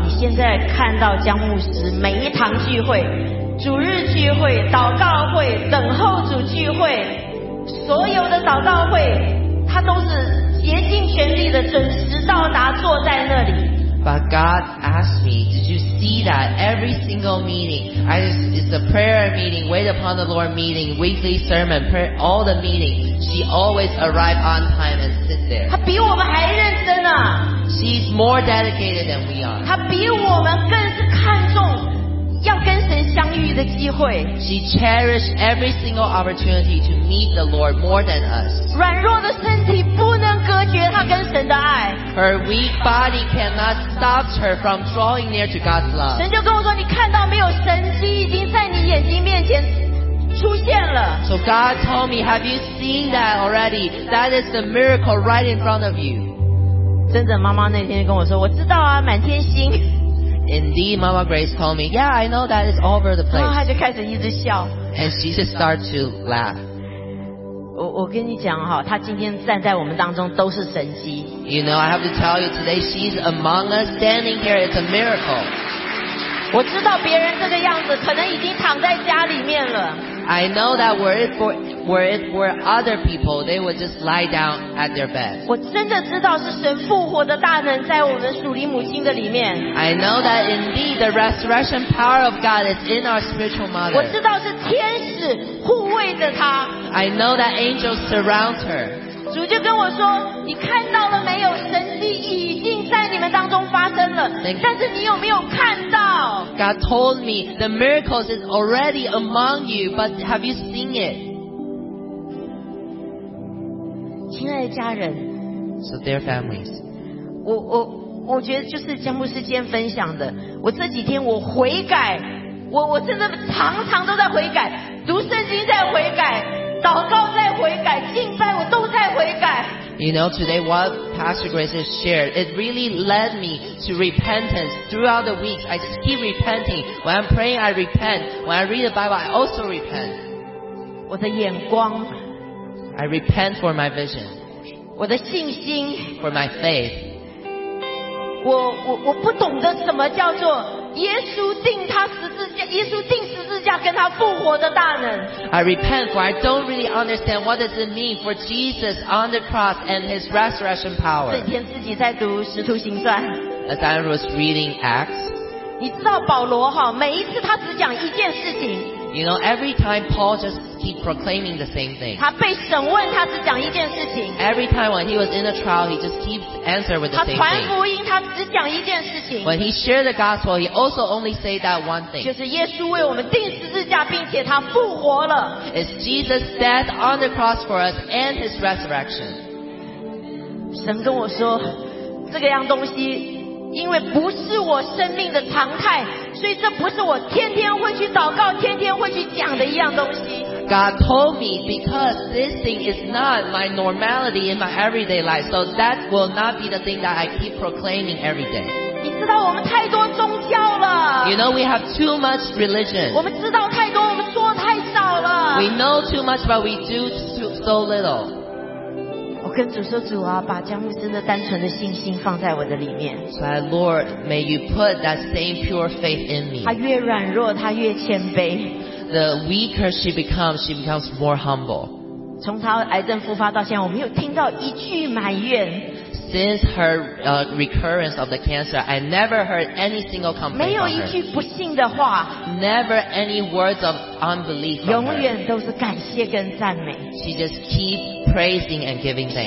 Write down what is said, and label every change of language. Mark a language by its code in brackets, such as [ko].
[zh] 你现在看到江牧师每一堂聚会。主日聚会、祷告会、等候主聚会，所有的祷告会，他都是竭尽全力的准时到达，坐在那里。 [en] But God asked me, did you see that every single meeting, it's a prayer meeting, wait upon the Lord meeting, weekly sermon, prayer, all the meetings, she always arrives on time and sit there. [zh] 她比我们还认真啊。 [en] She's more dedicated than we are. [zh] 她比我们更是看重。要跟神相遇的机会。 [en] She cherished every single opportunity to meet the Lord more than us. [zh] 软弱的身体不能隔绝她跟神的爱。 [en] Her weak body cannot stop her from drawing near to God's love. [zh] 神就跟我说，你看到没有，神迹已经在你眼睛面前出现了。 [en] So God told me, have you seen that already? That is the miracle right in front of you. [zh] 真的，妈妈那天跟我说，我知道啊，满天星。 [en] Indeed, Mama Grace told me, yeah, I know that it's all over the place. [zh] 然后她就开始一直笑。 [en] And she just started to laugh. [zh] 我跟你讲哈，她今天站在我们当中都是神迹。 [en] You know, I have to tell you today, she's among us standing here. It's a miracle. [zh] 我知道别人这个样子可能已经躺在家里面了。 [en] I know that were it for other people, they would just lie down at their bed. [zh] 我真的知道是神复活的大能在我们属灵母亲的里面。 [en] I know that indeed the resurrection power of God is in our spiritual mother. [zh] 我知道是天使护卫着她。 [en] I know that angels surround her. [zh] 主就跟我说，你看到了没有，神迹已经在你们当中发生了，但是你有没有看到？ [en] God told me, the miracles is already among you, but have you seen it? [zh] 亲爱的家人 [en] ，So dear families， [zh] 我觉得就是江牧师间分享的。我这几天我悔改，我真的常常都在悔改，读圣经在悔改，祷告在悔改，敬拜我都在悔改。 [en] You know, today what Pastor Grace has shared, it really led me to repentance throughout the week. I just keep repenting. When I'm praying, I repent. When I read the Bible, I also repent. [zh] 我的眼光。 [en] I repent for my vision. [zh] 我的信心。 [en] For my faith. [zh] 我不懂得什么叫做耶稣钉他十字架，耶稣钉十字架跟他复活的大能。 [en] I repent for I don't really understand what does it mean for Jesus on the cross and his resurrection power. [zh] 这天自己在读《使徒行传》。 [en] As I was reading Acts. [zh] 你知道保罗哈，每一次他只讲一件事情。 [en] You know, every time Paul just keep proclaiming the same thing. [zh] 他被审问，他只讲一件事情。 [en] Every time when he was in a trial, he just keeps answer with the same thing. [zh] 他传福音，他只讲一件事情。 [en] When he shared the gospel, he also only say that one thing. [zh] 就是耶稣为我们钉十字架，并且他复活了。 [en] It's Jesus' death on the cross for us and his resurrection. [zh] 神跟我说，这个样东西，因为不是我生命的常态。所以这不是我天天会去祷告，天天会去讲的一样东西。 [en] God told me because this thing is not my normality in my everyday life, so that will not be the thing that I keep proclaiming every day. [zh] 你知道我们太多宗教了。 [en] You know we have too much religion. [zh] 我们知道太多，我们做太少了。 [en] We know too much, but we do so little. [zh] 我跟主说，主啊，把江牧师的单纯的信心放在我的里面。 [en] So Lord, may you put that same pure faith in me. [zh] 她越软弱，她越谦卑。 [en] The weaker she becomes more humble. [zh] 从她癌症复发到现在，我没有听到一句埋怨。 [en] Since her recurrence of the cancer, I never heard any single complaint. [zh] 没有一句不信的话。 [en] Never any words of unbelief. [zh] 永远都是感谢跟赞美。 [en] She just keep praising and giving thanks.